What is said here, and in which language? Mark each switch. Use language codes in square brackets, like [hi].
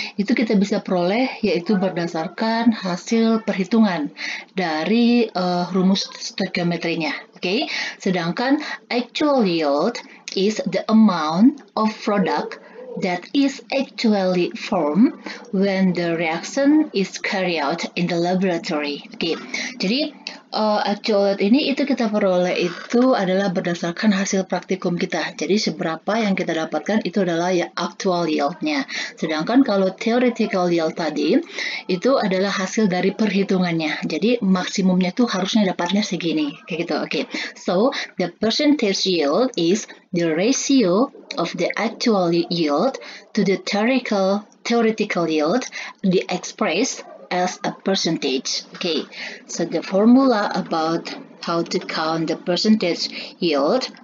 [id] Itu kita bisa peroleh yaitu berdasarkan hasil perhitungan dari rumus stoichiometrinya. Okay, sedangkan [en] actual yield is the amount of product that is actually formed when the reaction is carried out in the laboratory. [id] Okay, jadi actual yield ini itu kita peroleh itu adalah berdasarkan hasil praktikum kita. Jadi seberapa yang kita dapatkan itu adalah ya actual yieldnya. Sedangkan kalau theoretical yield tadi itu adalah hasil dari perhitungannya. Jadi maksimumnya itu harusnya dapatnya segini, kayak gitu. Okay. [en] So the percentage yield is the ratio of the actual yield to the theoretical yield, the expressed as a percentage. Okay, so the formula about how to count the percentage yield.